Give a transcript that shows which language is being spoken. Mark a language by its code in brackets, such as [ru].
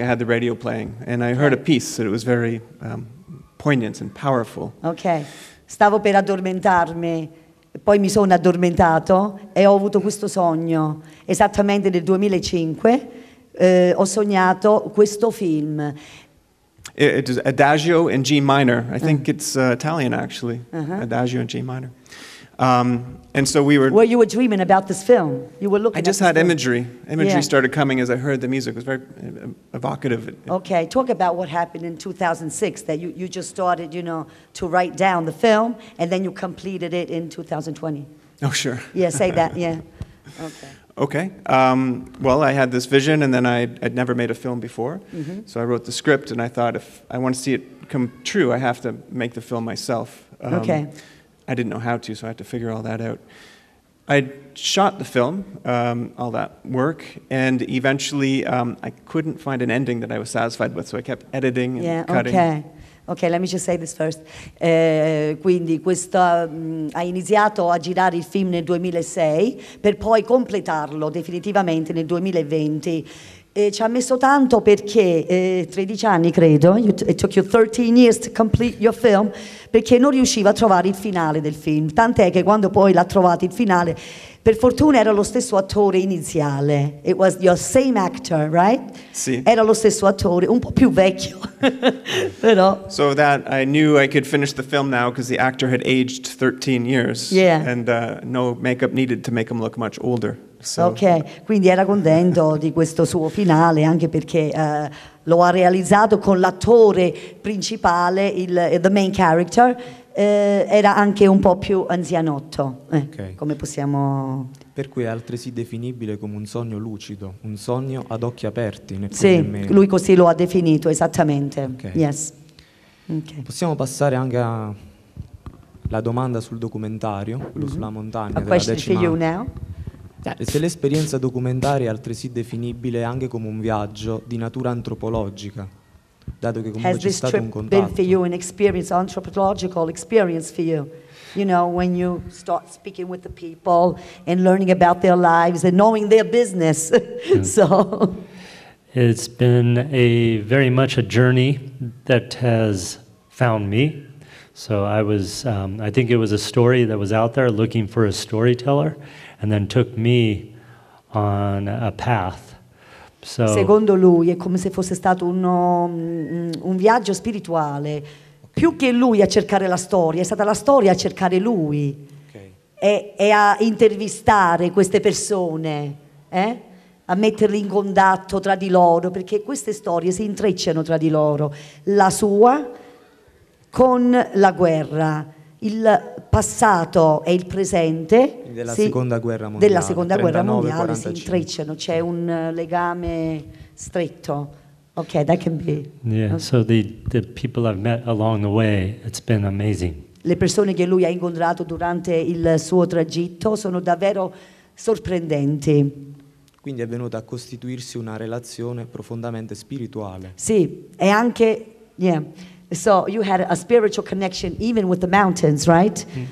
[en] I had the radio playing, and I heard a piece that was very poignant and powerful. Okay. [it] Stavo per addormentarmi, poi mi sono addormentato e ho avuto questo sogno esattamente nel 2005. Ho sognato questo film. [en] It is Adagio in G minor. I think it's Italian, actually. Uh-huh. Adagio in G minor. And so we were... Well, you were dreaming about this film. You were looking at this film. I just had imagery. Imagery yeah. started coming as I heard the music. It was very evocative. Okay, talk about what happened in 2006, that you just started, you know, to write down the film, and then you completed it in 2020. Oh, sure. Yeah, say that, yeah. Okay. Well, I had this vision, and then I'd never made a film before. Mm-hmm. So I wrote the script, and I thought, if I want to see it come true, I have to make the film myself. Okay. I didn't know how to, so I had to figure all that out. I shot the film, all that work, and eventually I couldn't find an ending that I was satisfied with, so I kept editing and cutting. Ok, let me just say this first. [it] Quindi questo ha iniziato a girare il film nel 2006 per poi completarlo definitivamente nel 2020. E ci ha messo tanto perché 13 anni credo, [en] it took you 13 years to complete your film, [it] perché non riusciva a trovare il finale del film. Tant'è che quando poi l'ha trovato il finale, per fortuna era lo stesso attore iniziale. [en] It was your same actor, right? [it] Sì. Era lo stesso attore, un po' più vecchio. Però [en] so that I knew I could finish the film now because the actor had aged 13 years. Yeah. And no makeup needed to make him look much older. So, [it] ok, quindi era contento di questo suo finale, anche perché lo ha realizzato con l'attore principale, il [en] the main character, [it] era anche un po' più anzianotto, okay. Come possiamo... Per cui è altresì definibile come un sogno lucido, un sogno ad occhi aperti, né più sì, né meno. Lui così lo ha definito, esattamente. Okay. [en] Yes. [it] Okay. Possiamo passare anche a... la domanda sul documentario, quello mm-hmm. sulla montagna. [en] A question for you now. [it] Se l'esperienza documentaria è altresì definibile anche come un viaggio di natura antropologica, dato che comunque c'è stato un contatto. [en] Has this trip been for you an experience, anthropological experience for you? You know, when you start speaking with the people and learning about their lives and knowing their business. So it's been a very much a journey that has found me. So I was, I think it was a story that was out there looking for a storyteller. And then took me on a path. So, [it] secondo lui è come se fosse stato un viaggio spirituale. Okay. Più che lui a cercare la storia, è stata la storia a cercare lui. Okay. E a intervistare queste persone, a metterli in contatto tra di loro, perché queste storie si intrecciano tra di loro. La sua con la guerra. Il passato e il presente della seconda guerra mondiale, della seconda guerra mondiale si intrecciano, c'è un legame stretto. [en] Ok, that can be. Yeah, okay. So the people I've met along the way, it's been amazing. [it] Le persone che lui ha incontrato durante il suo tragitto sono davvero sorprendenti. Quindi è venuta a costituirsi una relazione profondamente spirituale. Sì, e anche yeah. [en] So you had a spiritual connection even with the mountains, right?